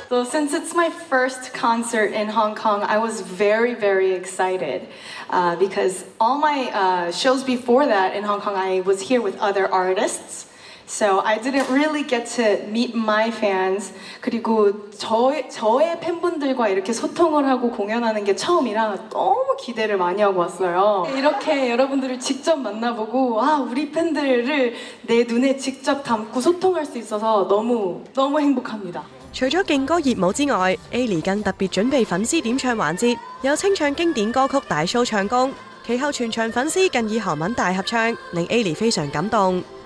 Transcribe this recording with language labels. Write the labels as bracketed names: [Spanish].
[English] Since it's my first concert in Hong Kong, I was very, very excited because all my shows before that in Hong Kong, I was here with other artists. So I didn't really get to meet my fans. [Korean] 그리고 저의 팬분들과 이렇게 소통을 하고 공연하는 게 처음이라 너무 기대를 많이 하고 왔어요. 이렇게 여러분들을 직접 만나보고 아 우리 팬들을 내 눈에 직접 담고 소통할 수 있어서 너무 너무 행복합니다. [Chinese] 除了劲歌热舞之外 ，Ailey 更特别准备粉丝点唱环节，又清唱经典歌曲大苏唱功，其后全场粉丝更以韩文大合唱，令 Ailey 非常感动。